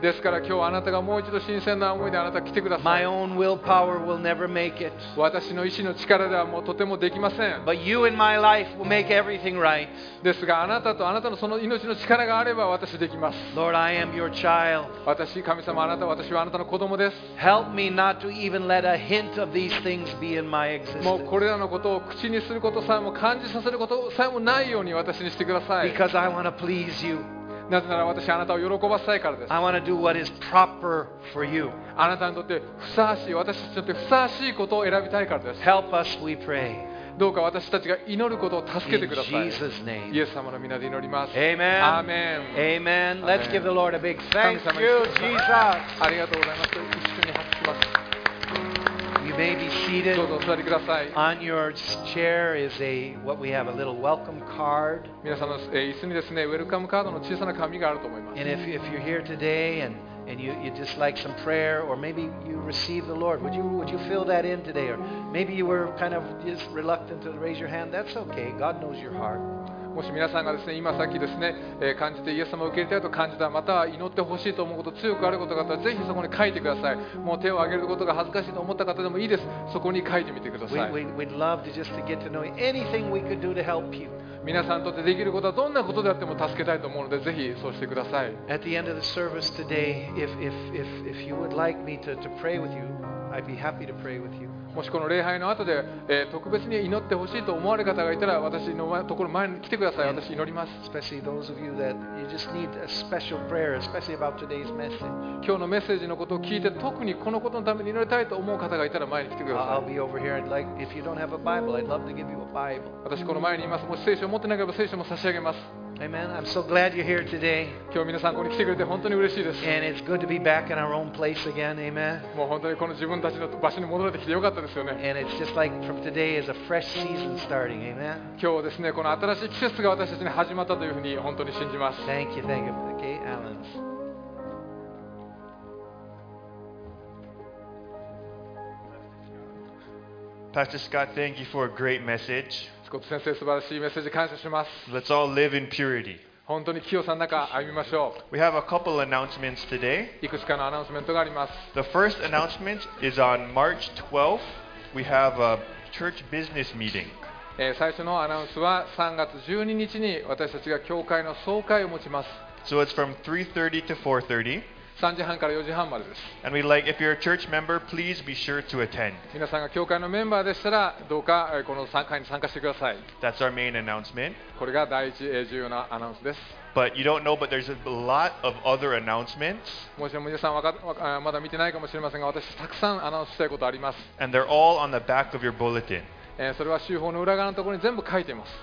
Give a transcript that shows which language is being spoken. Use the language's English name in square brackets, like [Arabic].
[Japanese] ですから今日あなたがもう一度新鮮な思いであなた来てください。 [English] My own willpower will never make it. [Japanese] 私の意志の力ではもうとてもできません。 [English] But you in my life will make everything right. [Japanese] ですがあなたとあなたのその命の力があれば私できます。 [English] Lord, I am your child. [Japanese] 私、神様、あなた、私はあなたの子供です。 [English] Help me not to even let a hint of these things be in my existence. [Japanese] もうこれらのことを口にすることさえも感じさせることさえもないように私にしてください。 [English] Because I want to please you. [Japanese] なぜなら私はあなたを喜ばせたいからです。 [English] I want to do what is proper for you. [Japanese] あなたにとってふさわしい、私たちにとってふさわしいことを選びたいからです。 [English] Help us, we pray. [Japanese] どうか私たちが祈ることを助けてください。 [English] In Jesus' name. [Japanese] イエス様の皆で祈ります。 [English] Amen. Amen. Amen. Let's give the Lord a big thank you, Jesus. [Japanese] ありがとうございます。一緒に拍手します。 [English] may be seated. [Japanese] どうぞお座りください。 [English] On your chair is a what we have a little welcome card. [Japanese] 皆さんの椅子にですね、ウェルカムカードの小さな紙があると思います。 [English] And if you're here today andAnd you just like some prayer, or maybe you receive the Lord. Would you fill that in today? Or maybe you were kind of just reluctant to raise your hand. That's okay. God knows your heart. [Japanese] もし皆さんがですね、今さっきですね、感じてイエス様を受け入れたいと感じた、または祈ってほしいと思うこと、強くあることがあったら、ぜひそこに書いてください。もう手を挙げることが恥ずかしいと思った方でもいいです。そこに書いてみてください。 [English] We'd love to just to get to know anything we could do to help you. [Japanese] 皆さんにとってできることはどんなことであっても助けたいと思うので、ぜひそうしてください。 [English] At the end of the service today, if you would like me to pray with you, I'd be happy to pray with you. [Japanese] もしこの礼拝の後で、特別に祈ってほしいと思われる方がいたら、私のところ前に来てください。私祈ります。 [English] Especially those of you that you just need a special prayer, especially about today's message. [Japanese] 今日のメッセージのことを聞いて、特にこのことのために祈りたいと思う方がいたら前に来てください。 [English] I'll be over here. I'd like if you don't have a Bible, I'd love to give you a Bible. [Japanese] 私この前にいます。もし聖書持ってなければ聖書も差し上げます。 [English] Amen. I'm so glad you're here today. [Japanese] 今日皆さんここに来てくれて本当に嬉しいです。 [English] And it's good to be back in our own place again. Amen. [Japanese] もう本当にこの自分たちの場所に戻れてきてよかったですよね。 [English] And it's just like from today is a fresh season starting. Amen. [Japanese] 今日ですね、この新しい季節が私たちに始まったというふうに本当に信じます。 [English] Thank you, thank you. Okay, Alan. Pastor Scott, thank you for a great message. [Japanese] Scott 先生、素晴らしいメッセージ感謝します。 [English] Let's all live in purity. [Japanese] 本当に清さの中歩みましょう。 [English] We have a couple announcements today. [Japanese] いくつかのアナウンスメントがあります。 [English] The first announcement is on March 12th. We have a church business meeting. [Japanese] 最初のアナウンスは3月12日に私たちが教会の総会を持ちます。 [English] So it's from 3:30 to 4:30. [Japanese] 3時半から4時半までです。 [English] And we like, if you're a church member, please be sure to attend. [Japanese] 皆さんが教会のメンバーでしたら、どうかこの参会に参加してください。 [English] That's our main announcement. [Japanese] これが第一重要なアナウンスです。 [English] But you don't know, but there's a lot of other announcements. [Japanese] もちろん皆さんまだ見てないかもしれませんが、私たくさんアナウンスしたいことあります。 [English] And they're all on the back of your bulletin. [Japanese] それは週報の裏側のところに全部書いています。